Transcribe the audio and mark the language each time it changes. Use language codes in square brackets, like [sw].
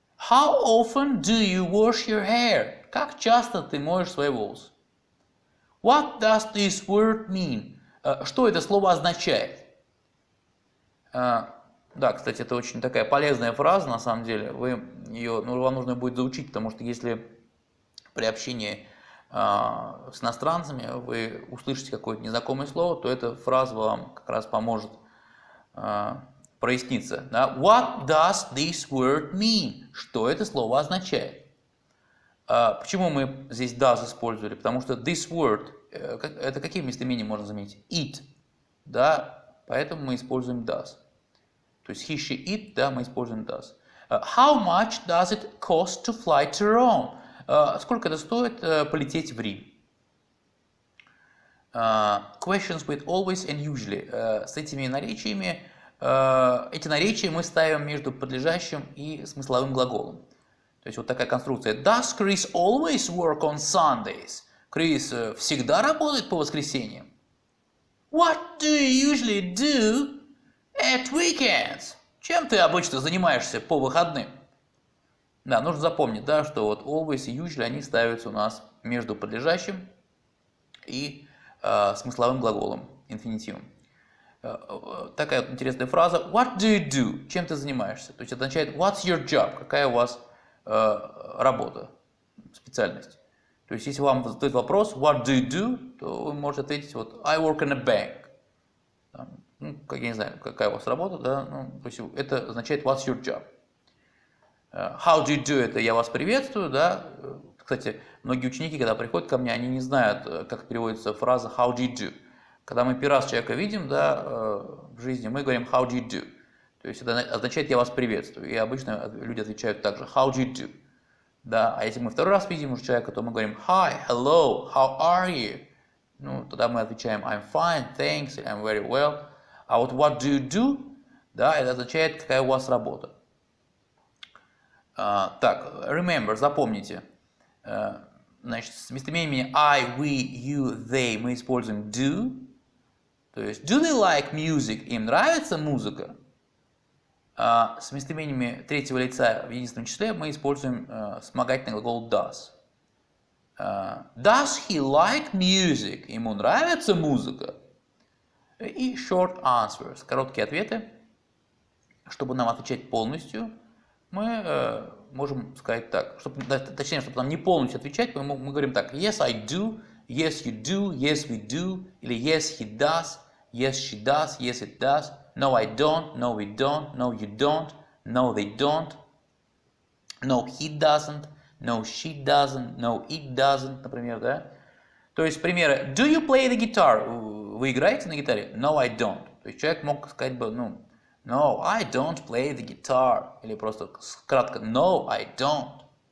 [en] How often do you wash your hair? [ru] Как часто ты моешь свои волосы? [en] What does this word mean? [ru] Что это слово означает? Да, кстати, это очень такая полезная фраза, на самом деле. Вы ее, ну, вам нужно будет заучить, потому что если при общении с иностранцами вы услышите какое-то незнакомое слово, то эта фраза вам как раз поможет проясниться. Да? [en] What does this word mean? [ru] Что это слово означает? Почему мы здесь does использовали? Потому что [en] this word, [ru] это какие местоимения можно заменить? It. Да? Поэтому мы используем does. То есть [en] he, she, it, [ru] да, мы используем does. [en] How much does it cost to fly to Rome? [ru] Сколько это стоит полететь в Рим? [en] Questions with always and usually. [ru] С этими наречиями. Эти наречия мы ставим между подлежащим и смысловым глаголом. То есть вот такая конструкция. [en] Does Chris always work on Sundays? [ru] Крис всегда работает по воскресеньям? [en] What do you usually do at weekends? [ru] Чем ты обычно занимаешься по выходным? Да, нужно запомнить, да, что вот always и usually, они ставятся у нас между подлежащим и смысловым глаголом, инфинитивом. Такая вот интересная фраза [en] what do you do, [ru] чем ты занимаешься, то есть означает [en] what's your job, [ru] какая у вас работа, специальность. То есть если вам задают вопрос [en] what do you do, [ru] то вы можете ответить вот [en] I work in a bank, [ru] ну, как, я не знаю, какая у вас работа, да, ну, то есть это означает [en] what's your job. How do you do это? [ru] Я вас приветствую, да. Кстати, многие ученики, когда приходят ко мне, они не знают, как переводится фраза [en] how do you do. [ru] Когда мы первый раз человека видим, да, в жизни, мы говорим [en] how do you do. [ru] То есть это означает я вас приветствую. И обычно люди отвечают так же [en] how do you do. [ru] Да, а если мы второй раз видим уже человека, то мы говорим [en] hi, hello, how are you? [ru] Ну, тогда мы отвечаем [en] I'm fine, thanks, I'm very well. [ru] А вот [en] what do you do? [ru] Да, это означает какая у вас работа. Так, [en] remember, [ru] запомните. Значит, с местоимениями [en] I, we, you, they [ru] мы используем do. То есть, [en] do they like music? [ru] Им нравится музыка? С местоимениями третьего лица в единственном числе мы используем вспомогательный глагол does. [en] Does he like music? [ru] Ему нравится музыка? И [en] short answers, [ru] короткие ответы. Чтобы нам отвечать полностью, мы можем сказать так, чтобы, точнее, чтобы нам не полностью отвечать, мы говорим так, [en] yes, I do, yes, you do, yes, we do, или yes, he does, yes, she does, yes, it does, no, I don't, no, we don't, no, you don't, no, they don't, no, he doesn't, no, she doesn't, no, it doesn't, [ru] например, да? То есть, примеры, [en] do you play the guitar? [ru] Вы играете на гитаре? [en] No, I don't. [ru] То есть, человек мог сказать бы, ну, [en] no, I don't play the guitar. [ru] Или просто кратко, [en] no, I don't.